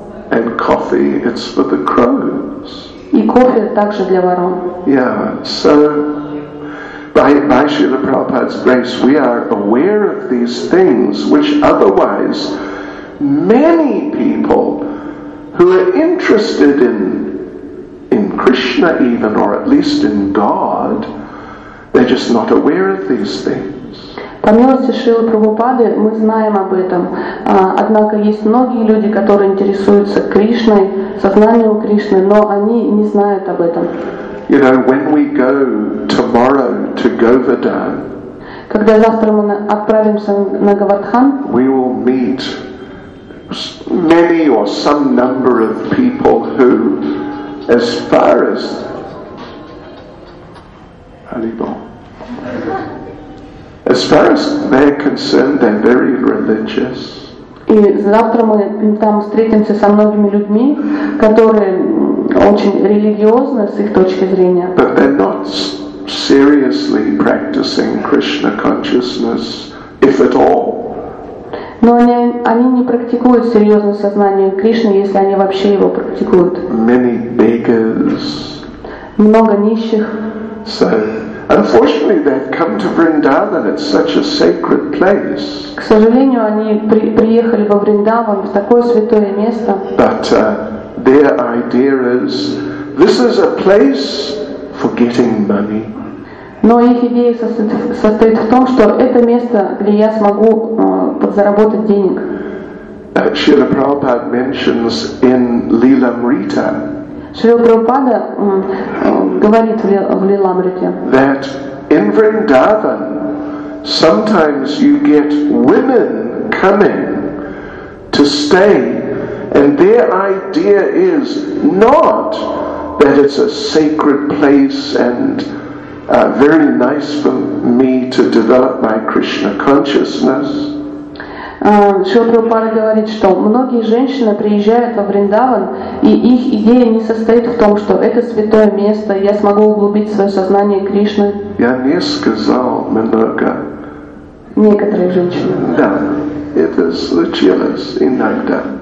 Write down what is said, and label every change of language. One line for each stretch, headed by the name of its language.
English: And coffee — it's for the crows.
Russian: И кофе также для ворон.
English: Yeah, so by Srila Prabhupada's grace, we are aware of these things, which otherwise many people who are interested in Krishna even, or at least in God, they're just not aware of these things.
Russian: По милости Шрилы Прабхупады мы знаем об этом. Однако есть многие люди, которые интересуются Кришной, сознанием Кришны, но они не знают об этом.
English: You know, when we go tomorrow to Govardhan,
Russian: когда завтра мы отправимся на Говардхан,
English: we will meet many or some number of people who, as far as as far as they're concerned, they're very religious.
Russian: И завтра мы там встретимся со многими людьми, которые очень религиозны с их точки зрения.
English: But they're not seriously practicing Krishna consciousness, if at all.
Russian: Но они не практикуют серьезное сознание Кришны, если они вообще его практикуют.
English: Many beggars.
Russian: Много нищих.
English: So, unfortunately, they've come to Vrindavan. It's such a sacred place.
Russian: К сожалению, они приехали во Вриндаван, в такое святое место.
English: But their idea is, this is a place for getting money.
Russian: Но их идея состоит в том, что это место, где я смогу подзаработать денег. Шрила Прабхупада
English: mentions in
Russian: Лиламрита. Шрила Прабхупада говорит в Лиламрите.
English: That in Vrindavan sometimes you get women coming to stay, and their idea is not that it's a sacred place and very nice for me to develop my Krishna consciousness.
Russian: Шрила Прабхупада говорит, что многие женщины приезжают во Вриндаван, и их идея не состоит в том, что это святое место, я смогу углубить свое сознание Кришны. Я не сказал много. Некоторые женщины. Да, это случилось иногда.